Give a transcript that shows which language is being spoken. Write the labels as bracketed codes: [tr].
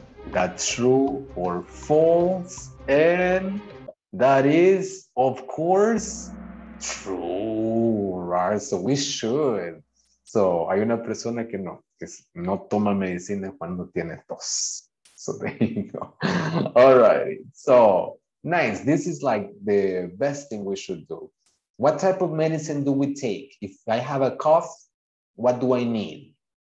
[en] That's true or false, and that is, of course, true, right? So we should. [es] So, hay una persona que no toma medicina cuando tiene tos. [en] So there you go. All right. So, nice. This is like the best thing we should do. What type of medicine do we take? If I have a cough, what do I need?